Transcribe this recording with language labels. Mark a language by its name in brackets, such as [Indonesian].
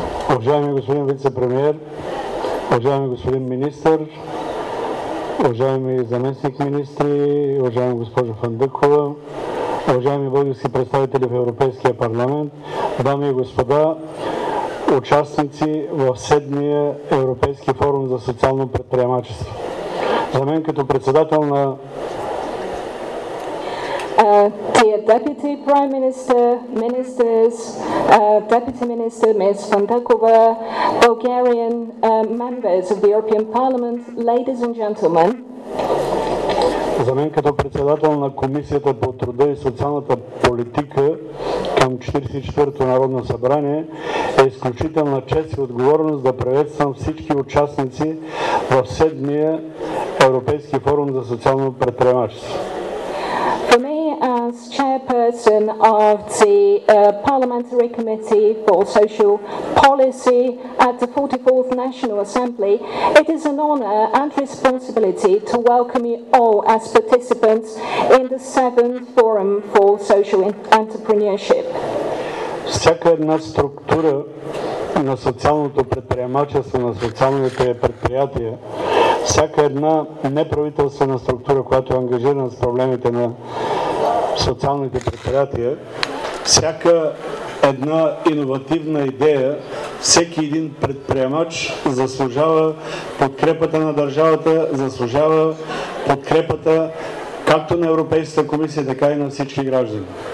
[Bulgarian] Уважаеми господин вице-премиер, уважаеми господин министър, уважаеми заместник министри, уважаема госпожа Фандъкова, уважаеми български представители в Европейския парламент, дами и господа, участници в седмия Европейски форум за социално предприемачество. За мен като председател на [English] Dear Deputy Prime Minister, Ministers, Deputy Minister Ms. Fandakova, Bulgarian members of the European Parliament, ladies and gentlemen. [Bulgarian] За мен като председател на Комисията по труда и социалната политика към 44-то Народно събрание е изключителна чест и отговорност да приветствам всички участници в седмия Европейски форум за социално предприемачество. [English] As chairperson of the Parliamentary Committee for Social Policy at the 44th National Assembly, it is an honor and responsibility to welcome you all as participants in the 7th Forum for Social Entrepreneurship. [Bulgarian] Всяка една структура на социалното предприемачество, на социалните предприятия, всяка една неправителствена структура, която е ангажирана с проблемите на социалните предприятия, всяка една иновативна идея, всеки един предприемач заслужава подкрепата на държавата, заслужава подкрепата както на Европейската комисия, така и на всички граждани.